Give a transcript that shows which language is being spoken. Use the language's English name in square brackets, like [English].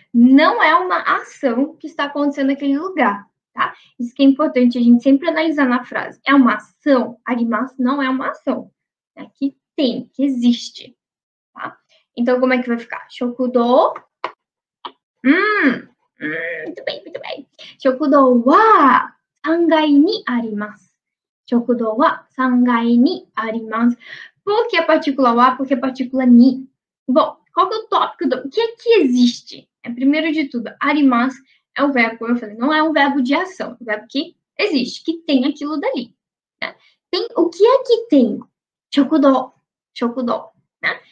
[Portuguese] Não é uma ação que está acontecendo naquele lugar, tá? Isso que é importante a gente sempre analisar na frase. É uma ação. Arimasu não é uma ação. É que tem, que existe. Tá? Então, como é que vai ficar? Shokudo. Muito bem, muito bem. [Japanese] Shokudo wa 3階にあります。 Shokudo wa 3階にあります。 [Portuguese] Por que a partícula wa? Por que a partícula ni? Bom, qual que é o tópico do... O que é que existe? É, primeiro de tudo, arimasu é o verbo, como eu falei, não é um verbo de ação. É um verbo que existe, que tem aquilo dali. Né? Tem, o que é que tem? Shokudo. Shokudo. Né?